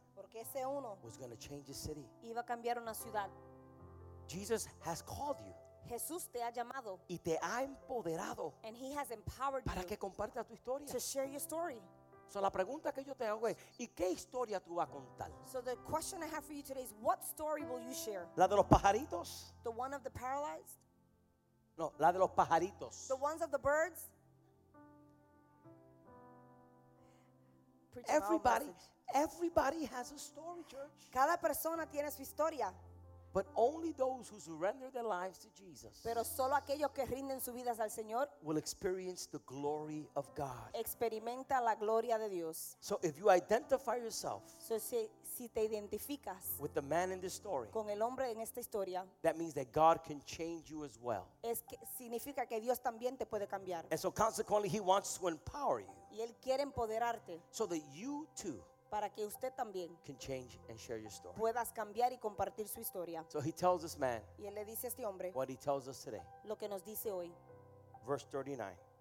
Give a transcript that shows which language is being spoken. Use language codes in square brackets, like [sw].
[es] Porque ese uno. [en] Was going to change the city. [es] Iba a cambiar una ciudad. [en] Jesus has called you. [es] Jesús te ha llamado. Y te ha empoderado. [en] And he has empowered [es] para [en] you. [es] Para que compartas tu historia. [en] To share your story. [es] So la pregunta que yo te hago es, ¿y qué historia tú vas a contar? [en] So the question I have for you today is, what story will you share? [es] ¿La de los pajaritos? [en] The one of the paralyzed? [es] No, la de los pajaritos. [en] The ones of the birds? Everybody has a story, church. [es] Cada persona tiene su historia. [en] But only those who surrender their lives to Jesus. [es] Pero solo aquellos que rinden sus vidas al Señor. [en] Will experience the glory of God. [es] Experimenta la gloria de Dios. [en] So if you identify yourself. [es] So si te identificas. [en] With the man in this story. [es] Con el hombre en esta historia. [en] That means that God can change you as well. [es] Es que significa que Dios también te puede cambiar. [en] And so consequently, He wants to empower you. [es] Y él quiere empoderarte. [en] So that you too. [es] Para que usted también [en] can change and share your story. [es] Puedas cambiar y compartir su historia. [en] So he tells this man. [es] Y él le dice a este hombre. [en] What he tells us today. [es] Lo que nos dice hoy. [en] Verse 39.